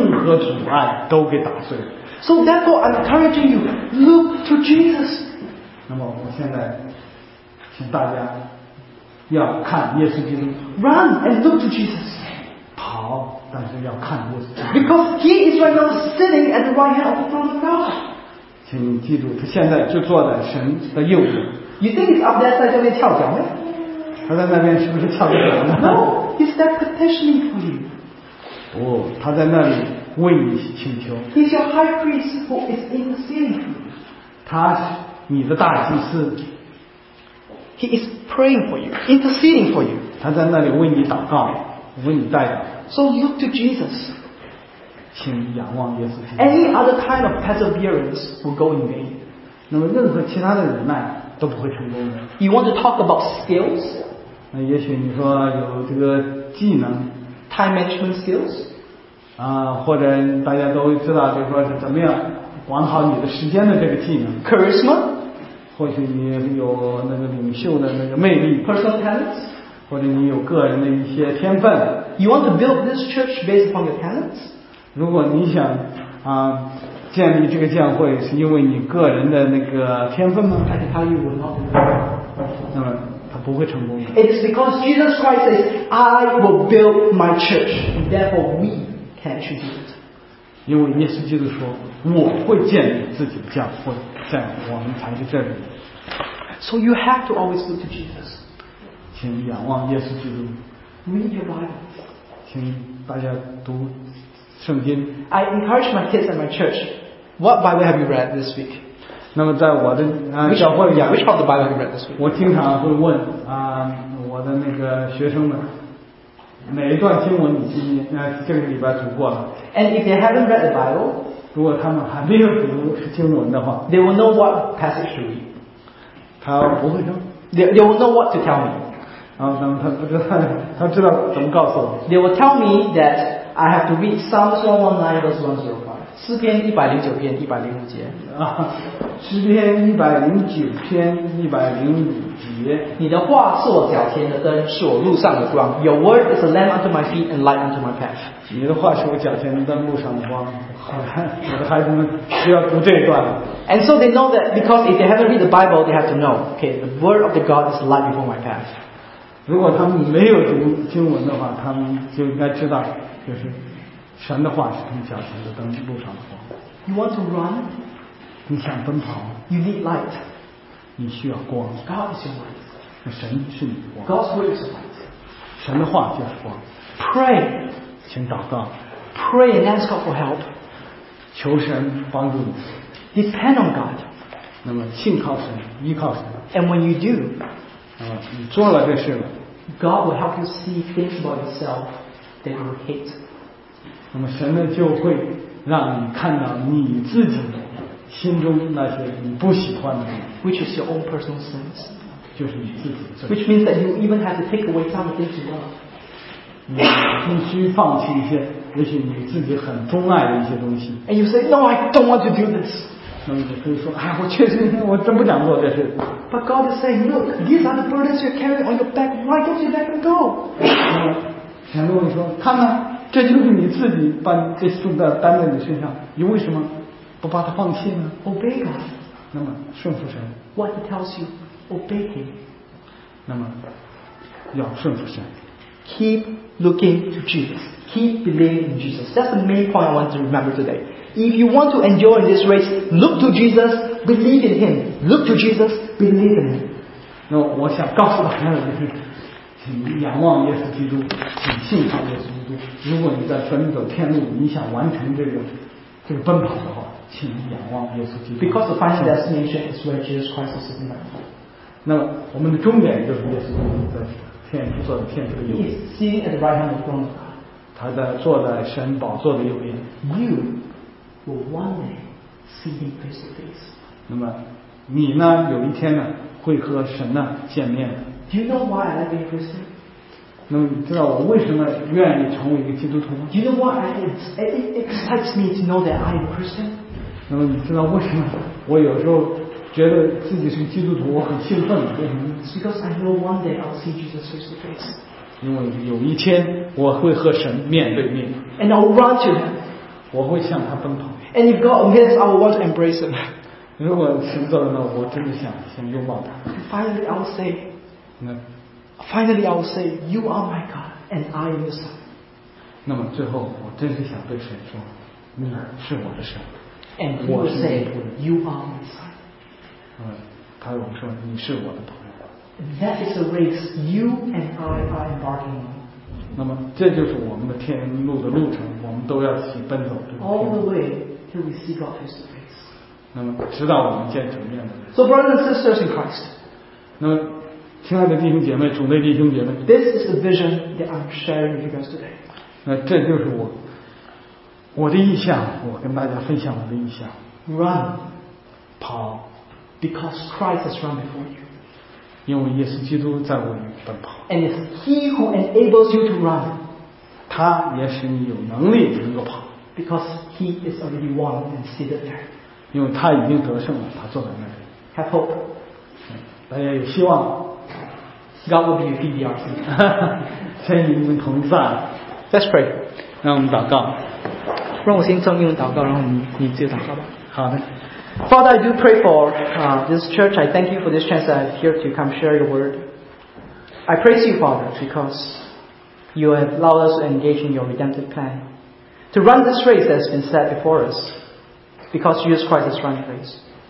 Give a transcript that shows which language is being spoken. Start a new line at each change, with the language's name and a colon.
English: So therefore, I'm encouraging you, look to Jesus.
Chinese: 那么我现在请大家要看耶稣基督。
English: Run and look to Jesus.
Chinese: 好，但是要看耶稣。
English: Because he is right now sitting at the right hand of the throne of God.
Chinese: 请你记住，他现在就坐在神的右边。
English: You think he's up there
Chinese: 在这边翘脚吗？他在那边是不是翘脚呢
English: ？No, he's there petitioning for you.
Chinese: 哦，他在那里为你请求。
English: He's your high priest who is in the ceiling.
Chinese: 他是你的大祭司。
English: He is praying for you, interceding for you.
Chinese: 他在那里为你祷告。为你带领。
English: So look to Jesus.
Chinese: 请仰望耶稣基督。
English: Any other kind of perseverance will go in vain.
Chinese: 那么任何其他的忍耐都不会成功的。
English: You want to talk about skills?
Chinese: 那也许你说有这个技能。
English: Time management skills?
Chinese: 啊，或者大家都知道，就是说是怎么样管好你的时间的这个技能。
English: Charisma?
Chinese: 或许你有那个领袖的那个魅力。
English: Personal talents?
Chinese: 或者你有个人的一些天分。
English: You want to build this church based upon your talents?
Chinese: 如果你想啊、建立这个教会，是因为你个人的那个天分吗
English: ？I can tell you will not.
Chinese: 那么他不会成功的。
English: It is because Jesus Christ says, "I will build my church, and therefore we can choose it."
Chinese: 因为耶稣基督说，我会建立自己的教会，这样我们才是这里。
English: So you have to always look to Jesus.
Chinese: 请仰望耶稣基督。
English: Read your Bible.
Chinese: 请大家读圣经。
English: I encourage my kids at my church. What Bible have you read this week?
Chinese: 那么在我的教会里
English: which part of the Bible have you read this week?
Chinese: 我经常会问啊、我的那个学生们，哪一段经文你今天这个礼拜读过了？
English: And if they haven't read the Bible,
Chinese: 如果他们还没有读经文的话，
English: they will know what passage to read.
Chinese: 他不会说。
English: They will know what to tell me.
Chinese: 他知道怎么告诉我。
English: They will tell me that I have to read Psalms 119 verse 105.
Chinese: 诗篇一百零九篇一百零五节。诗篇一百零九篇一百零五节。你的话是我脚前的灯，是我路上的光。
English: Your word is a lamp unto my feet and light unto my path.
Chinese: 你的话是我脚前的灯，路上的光。我的孩子们需要读这一段。
English: And so they know that because if they haven't read the Bible, they have to know. Okay, the word of the God is light before my path.
Chinese: 如果他们没有读经文的话，他们就应该知道，就是神的话是他们脚前的灯，路上的光。
English: You want to run?
Chinese: 你想奔跑？
English: You need light.
Chinese: 你需要光。
English: God is your light.
Chinese: 神是你的光。
English: God's word is light.
Chinese: 神的话就是光。
English: Pray.
Chinese: 请祷告。
English: Pray and ask God for help.
Chinese: 求神帮助你。
English: Depend on God.
Chinese: 那么信靠神，依靠神。
English: And when you do,
Chinese: 你做了这事了。
English: God will help you see things about yourself that you hate.
Chinese: 那么神呢就会让你看到你自己的心中那些你不喜欢的。
English: Which is your own personal sins.
Chinese: 就是你自己。
English: Which means that you even have to take away some of things you love.
Chinese: 你必须放弃一些，也许你自己很钟爱的一些东西。
English: And you say, No, I don't want to do this.
Chinese: 那么你可以说，哎，我确实，我真不想做这事。
English: But God is saying, Look, these are the burdens you're carrying on your back. Why don't you let them go?
Chinese: 神跟你说，看看，这就是你自己把这重担担在你身上，你为什么不把它放弃呢？
English: Obey God.
Chinese: 那么顺服神。
English: What He tells you, obey Him.
Chinese: 那么要顺服神。
English: Keep looking to Jesus. Keep believing in Jesus. That's the main point I want to remember today. If you want to endure in this race, look to Jesus, believe in Him. Look to Jesus, believe in Him.
Chinese: 那我想告诉大家的就是，请仰望耶稣基督，请信靠耶稣基督。如果你在神走天路，你想完成这个奔跑的话，请仰望耶稣基督。
English: Because the final destination is where Jesus Christ is sitting at.
Chinese: 那么我们的终点就是耶稣基督在天主座的天主的右边。
English: He's sitting at the right hand of God.
Chinese: 他在坐在神宝座的右边。
English: You will one day see Him face to face.
Chinese: 那么你呢？有一天呢，会和神呢见面。
English: Do you know why I like being Christian?
Chinese: 那么你知道我为什么愿意成为一个基督徒吗？
English: Do you know why it excites me to know that I am Christian?
Chinese: 那么你知道为什么我有时候觉得自己是基督徒，我很兴奋，为什么？
English: Because I know one day I'll see Jesus face to face.
Chinese: 因为有一天我会和神面对面。
English: And I'll run to Him.
Chinese: 我会向他奔跑。
English: And if God permits, I will want to embrace Him.
Chinese: 如果神做了呢，我真的想先拥抱他。
English: Finally, I'll say. No. Finally, I will say, "You are my God, and I am your son."
Chinese: 那么最后，我真是想对神说，你是我的神。
English: And he will say, "You are my son."
Chinese: 他跟我说，你是我的朋友。
English: That is a race you and I are embarking on.
Chinese: 那么这就是我们的天路的路程，我们都要一起奔走。
English: All the way till we see God face to face.
Chinese: 那么直到我们见主面的。
English: So, brothers and sisters in Christ.
Chinese: 那么亲爱的弟兄姐妹，主内弟兄姐妹，
English: This is the vision that I'm sharing with you guys today.
Chinese: 那这就是我的意向，我跟大家分享我的意向。
English: Run,
Chinese: 跑，
English: because Christ has run before you.
Chinese: 因为耶稣基督在我里奔跑。
English: And it's He who enables you to run.
Chinese: 他也使你有能力能够跑。
English: Because He is already won and seated there.
Chinese: 因为他已经得胜了，他坐在那里。
English: Have hope.
Chinese: 大家有希望。
English: God will be your PDRC.
Chinese: 先与你们同在。
English: Let's pray.
Chinese: 让我们祷告。让我先用英文祷告，然后你自己祷告吧。好的。
English: Father, I do pray for this church. I thank you for this chance that I'm here to come share your word. I praise you, Father, because you have allowed us to engage in your redemptive plan. To run this race that has been set before us. Because Jesus Christ has run the race.